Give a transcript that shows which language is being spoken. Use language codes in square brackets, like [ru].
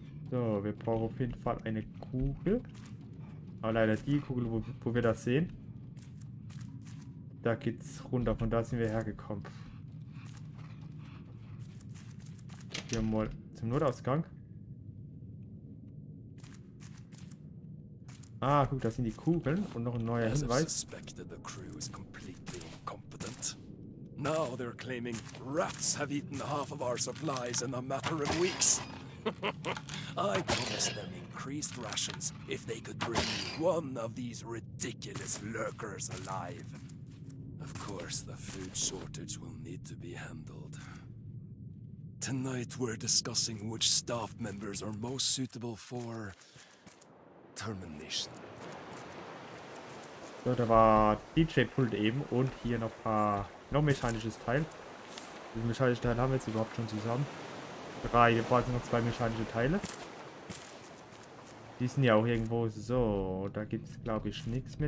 [de] So, wir brauchen auf jeden Fall eine Kugel. Aber leider die Kugel, wo wir das sehen. Da geht's runter, von da sind wir hergekommen. Hier mal zum Notausgang. Ah, guck, das sind die Kugeln und noch ein neuer Hinweis. [en] As I suspected, the crew is completely incompetent. Now they're claiming rats have eaten half of our supplies in a matter of weeks. I promised them increased rations if they could bring one of these ridiculous lurkers alive. Of course, the food shortage will need to be handled. Tonight we're discussing which staff members are most suitable for termination. [de] So, da war DJ-Pult eben und hier noch noch mechanisches Teil. Diesen mechanischen Teil haben wir jetzt überhaupt schon zusammen. Drei, wir brauchen noch zwei mechanische Teile. Die sind ja auch irgendwo so. Da gibt es, glaube ich, nichts mehr.